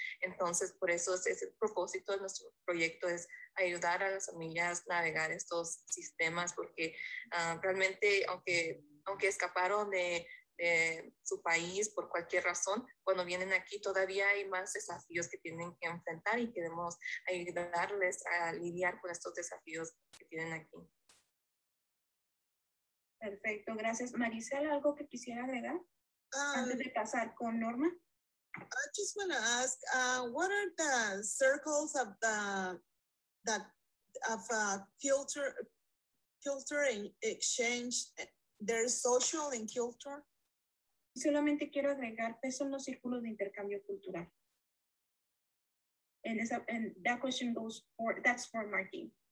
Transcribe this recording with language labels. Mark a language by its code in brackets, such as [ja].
[es] Entonces, por eso es el propósito de nuestro proyecto, es ayudar a las familias a navegar estos sistemas, porque realmente, aunque escaparon de su país por cualquier razón, cuando vienen aquí todavía hay más desafíos que tienen que enfrentar, y queremos ayudarles a lidiar con estos desafíos que tienen aquí. Perfecto, gracias. Maricel, ¿algo que quisiera agregar antes de pasar con Norma? [en] I just want to ask, what are the circles of culture and exchange, their social and culture? [es] Solamente quiero agregar, ¿qué son los círculos de intercambio cultural? [en] And that question goes for, that's for Martin.